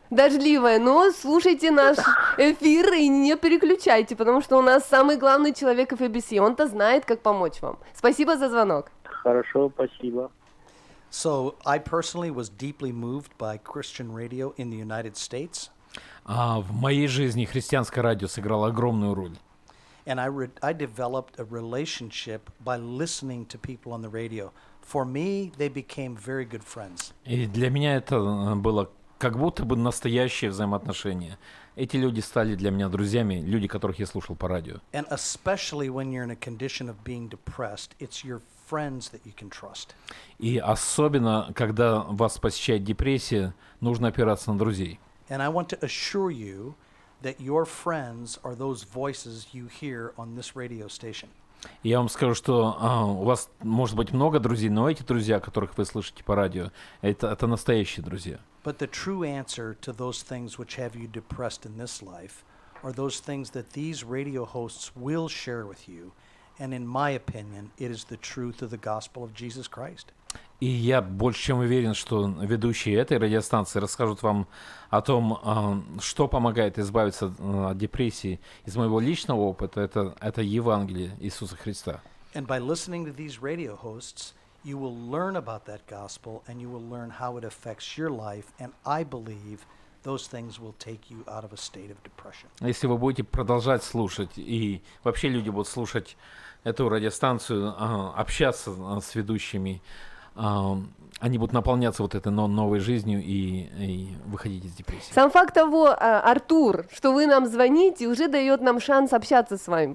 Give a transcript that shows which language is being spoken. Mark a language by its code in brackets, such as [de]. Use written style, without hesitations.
[ru] Дождливое, но слушайте наш эфир и не переключайте, потому что у нас самый главный человек FBC, он-то знает, как помочь вам. Спасибо за звонок. Хорошо, спасибо. [en] So, I personally was deeply moved by Christian radio in the United States. [ru] В моей жизни христианское радио сыграло огромную роль. [en] And I developed a relationship by listening to people on the radio. For me, they became very good friends. [ru] И для меня это было как будто бы настоящее взаимоотношение. Эти люди стали для меня друзьями, люди, которых я слушал по радио. [en] And especially when you're in a condition of being depressed, it's your friends that you can trust. [ru] И особенно когда вас посещает депрессия, нужно опираться на друзей. [en] And I want to assure you that your friends are those voices you hear on this radio station. [ru] Я вам скажу, что у вас может быть много друзей, но эти друзья, которых вы слышите по радио, это настоящие друзья. [en] But the true answer to those things which have you depressed in this life are those things that these radio hosts will share with you, and in my opinion, it is the truth of the gospel of Jesus Christ. [ru] И я больше чем уверен, что ведущие этой радиостанции расскажут вам о том, что помогает избавиться от депрессии из моего личного опыта. Это Евангелие Иисуса Христа. [en] And by listening to these radio hosts, you will learn about that gospel and you will learn how it affects your life, and I believe those things will take you out of a state of depression. [ru] Если вы будете продолжать слушать, и вообще люди будут слушать эту радиостанцию, общаться с ведущими, они будут наполняться вот этой новой жизнью и выходить из депрессии. Сам факт того, Артур, что вы нам звоните, уже дает нам шанс общаться с вами.